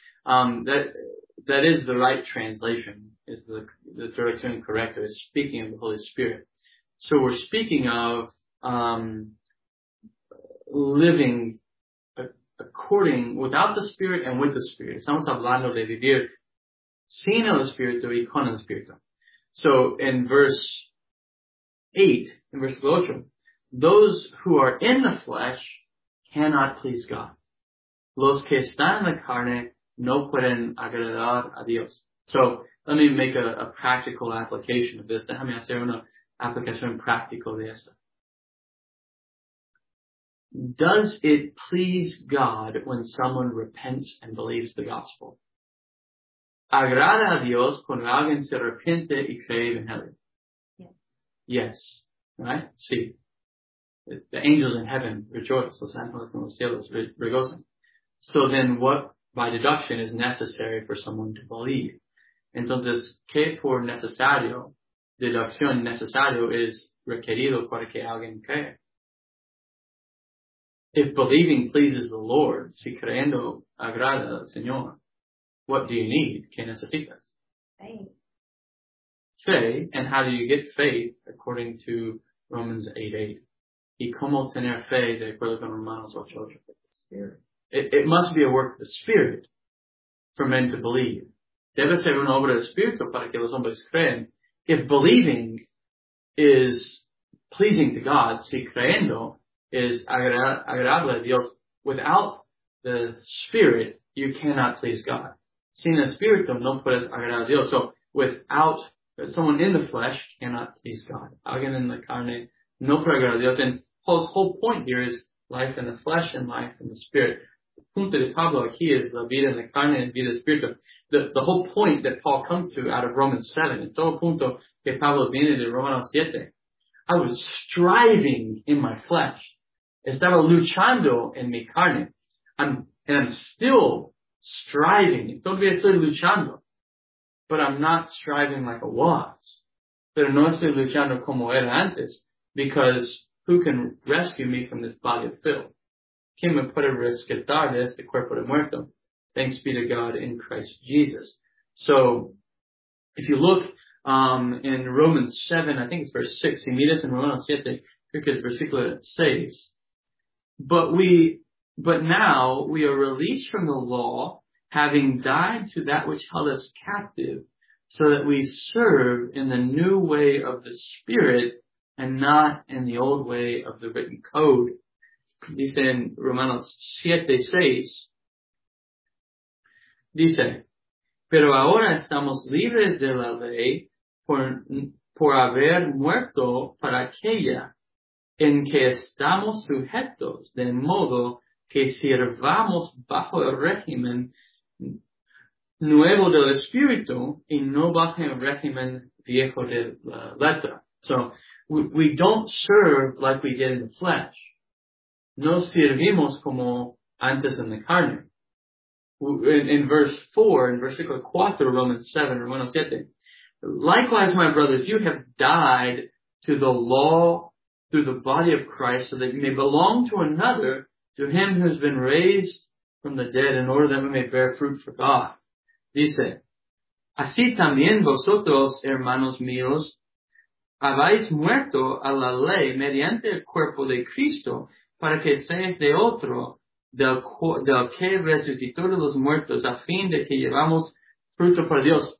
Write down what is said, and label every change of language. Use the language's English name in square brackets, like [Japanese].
[English] That is the right translation. Is the [Spanish] traducción correcta? [English] It's speaking of the Holy Spirit. So we're speaking of, living according without the Spirit and with the Spirit. [Spanish] Estamos hablando de vivir sin el Espíritu y con el Espíritu. [English] So in verse 8, those who are in the flesh cannot please God. [Spanish] Los que están en la carne no pueden agradar a Dios. [English] So let me make a practical application of this. [Spanish] Déjame hacer una aplicación práctica de esto. [English] Does it please God when someone repents and believes the gospel? [Spanish] ¿Agrada a Dios cuando alguien se arrepiente y cree en Evangelio? [English] Yes. Right? Sí. The angels in heaven rejoice. [Spanish] Los ángeles en los cielos regocen. [English] So then what, by deduction, is necessary for someone to believe? [Spanish] Entonces, ¿qué por necesario? Deducción necesario es requerido para que alguien crea. [English] if believing pleases the Lord, [Spanish] si creyendo agrada al Señor, [English] what do you need? [Spanish] ¿Qué necesitas? [English] Faith. Fe, and how do you get faith according to Romans 8:8? [Spanish] ¿Y cómo tener fe de acuerdo con Romanos 8:8? [English] It must be a work of the Spirit for men to believe. [Spanish] Debe ser una obra del Espíritu para que los hombres creen. [English] If believing is pleasing to God, [Spanish] si creyendo [English] is [Spanish] agradable a Dios, [English] without the Spirit, you cannot please God. [Spanish] Sin Espíritu, no puedes agradar a Dios. [English] So, without someone in the flesh, cannot please God. [Spanish] Alguien en la carne, no puede agradar a Dios. [English] And Paul's whole point here is life in the flesh and life in the Spirit. [Spanish] The punto de Pablo aquí es la vida en la carne and vida espiritual. [English] The whole point that Paul comes to out of Romans 7, [Spanish] en todo punto que Pablo viene de Romanos 7, [English] I was striving in my flesh. [Spanish] Estaba luchando en mi carne. [English] And I'm still striving. [Spanish] Todavía estoy luchando. [English] But I'm not striving like I was. [Spanish] Pero no estoy luchando como era antes. [English] Because who can rescue me from this body of filth? [Spanish] ¿Quién me puede rescatar de este cuerpo de muerto? [English] Thanks be to God in Christ Jesus. So, if you look in Romans 7, I think it's verse 6. [Spanish] Si miras en Romanos 7, creo que es versículo 6. [English] But now we are released from the law, having died to that which held us captive, so that we serve in the new way of the Spirit and not in the old way of the written code. [Spanish] Dice en Romanos 7, 6. Dice, pero ahora estamos libres de la ley por haber muerto para aquella en que estamos sujetos, de modo que sirvamos bajo el régimen nuevo del Espíritu y no bajo el régimen viejo de la letra. [English] So, we don't serve like we did in the flesh. [Spanish] No servimos como antes en la carne. [English] In verse 4, [Spanish] in versículo 4, Romans 7, Romanos 7. [English] Likewise, my brothers, you have died to the law through the body of Christ, so that you may belong to another, to him who has been raised from the dead, in order that we may bear fruit for God. [Spanish] Dice, así también vosotros, hermanos míos, habéis muerto a la ley mediante el cuerpo de Cristo, para que seáis de otro, del que resucitó de los muertos, a fin de que llevamos fruto para Dios.